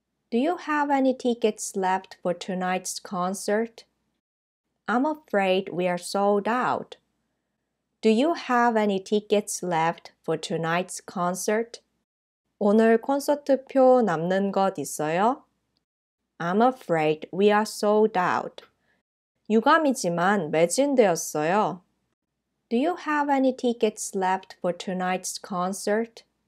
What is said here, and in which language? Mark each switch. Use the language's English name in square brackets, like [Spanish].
[English] Do you have any tickets left for tonight's concert? I'm afraid we are sold out. Do you have any tickets left for tonight's concert? [Korean] 오늘 콘서트표 남는 것 있어요? [English] I'm afraid we are sold out. [Korean] 유감이지만 매진되었어요. [English] Do you have any tickets left for tonight's concert?